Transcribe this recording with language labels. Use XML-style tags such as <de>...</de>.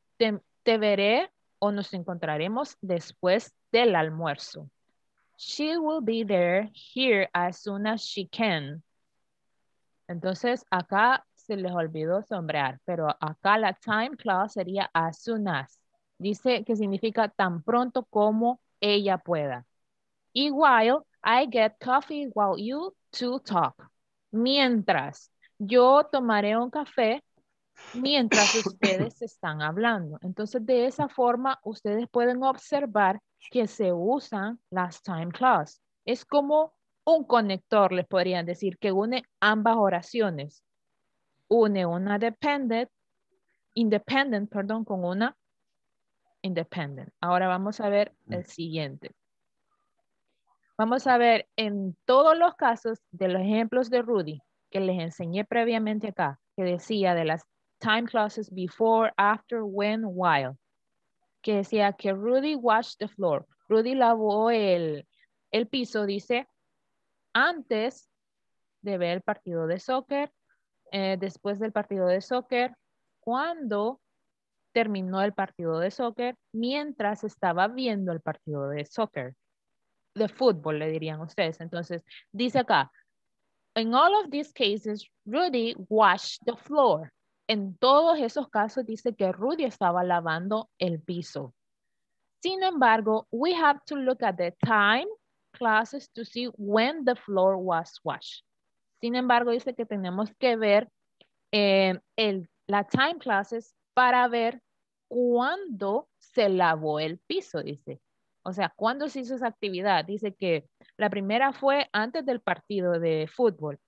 <es>Te veré o nos encontraremos después del almuerzo.</es> <en>She will be there here as soon as she can.</en> <es>Entonces, acá se les olvidó sombrear, pero acá la time clause sería as soon as. Dice que significa tan pronto como ella pueda.</es> <en>Y while I get coffee while you two talk.</en> <es>Mientras yo tomaré un café mientras ustedes están hablando. Entonces, de esa forma, ustedes pueden observar que se usan las time clause. Es como un conector, les podrían decir, que une ambas oraciones. Une una independent. Ahora vamos a ver el siguiente. Vamos a ver en todos los casos de los ejemplos de Rudy que les enseñé previamente acá, que decía de las time clauses before, after, when, while. Que decía que Rudy</es> <en>washed the floor.</en> <es>Rudy lavó el piso, dice, antes de ver el partido de soccer, después del partido de soccer, cuando terminó el partido de soccer, mientras estaba viendo el partido de soccer, de fútbol, le dirían ustedes. Entonces, dice acá,</es> <en>in all of these cases, Rudy washed the floor.</en> <es>En todos esos casos dice que Rudy estaba lavando el piso. Sin embargo,</es> <en>we have to look at the time clauses to see when the floor was washed.</en> <es>Sin embargo, dice que tenemos que ver la time clauses para ver cuándo se lavó el piso, dice. O sea, ¿cuándo se hizo esa actividad? Dice que la primera fue antes del partido de fútbol.</es>